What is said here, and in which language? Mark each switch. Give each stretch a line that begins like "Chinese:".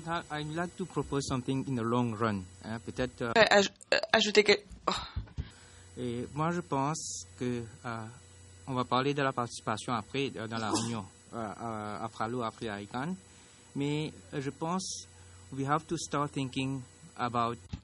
English: I'd like to propose something in the long run.
French: Peut-être. Ajouter que. Et moi, je pense que on va parler de la participation après dans la réunion à Fralo, après à ICANN. Mais je pense
English: we have to start thinking about.